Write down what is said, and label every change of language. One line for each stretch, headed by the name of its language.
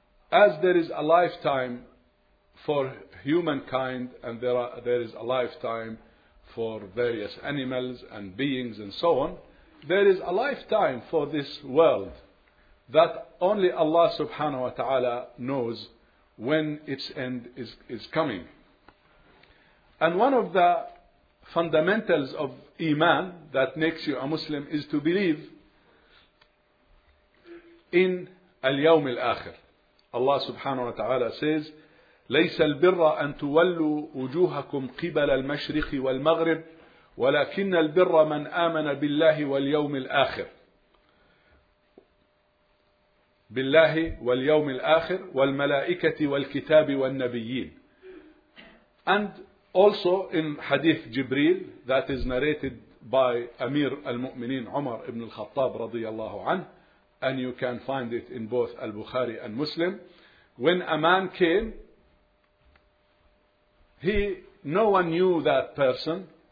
English: As there is a lifetime for humankind, and there is a lifetime for various animals and beings and so on, there is a lifetime for this world that only Allah subhanahu wa ta'ala knows when its end is coming. And one of the fundamentals of Iman that makes you a Muslim is to believe in al-yawm al-akhir. Allah subhanahu wa ta'ala says,
Arabic: لَيْسَ الْبِرَّ أَن تُوَلُّوا وُجُوهَكُمْ قِبَلَ الْمَشْرِقِ وَالْمَغْرِبِ وَلَكِنَّ الْبِرَّ مَنْ آمَنَ بِاللَّهِ وَالْيَوْمِ الْآخِرِ بِاللَّهِ وَالْيَوْمِ الْآخِرِ وَالْمَلَائِكَةِ وَالْكِتَابِ وَالنَّبِيِّينَ.
English: And also in Hadith Jibreel, that is narrated by Amir al-Mu'mineen Umar ibn al-Khattab radiyallahu anhu, and you can find it in both al-Bukhari and Muslim, when a man came, no one knew that person.